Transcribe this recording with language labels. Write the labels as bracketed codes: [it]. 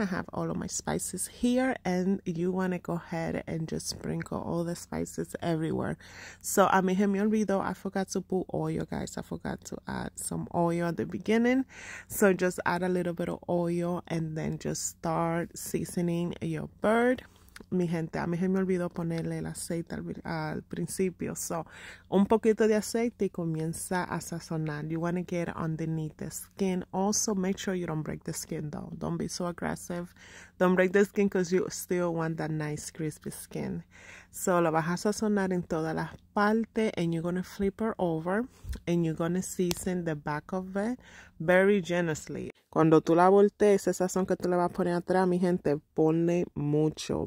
[en] I have all of my spices here, and you wanna go ahead and just sprinkle all the spices everywhere. So [es] a mí se me olvidó, [en] I forgot to put oil, guys. I forgot to add some oil at the beginning. So just add a little bit of oil and then just start seasoning your bird. [es] Mi gente, a mí se me olvidó ponerle el aceite al principio. So, un poquito de aceite y comienza a sazonar. [en] You want to get underneath the skin. Also, make sure you don't break the skin though. Don't be so aggressive. Don't break the skin because you still want that nice crispy skin. So, [es] lo vas a sazonar en todas las partes [en] and you're going to flip her over and you're going to season the back of it very generously. [es] Cuando tú la voltees, ese sazón que tú le vas a poner atrás, mi gente, ponle mucho.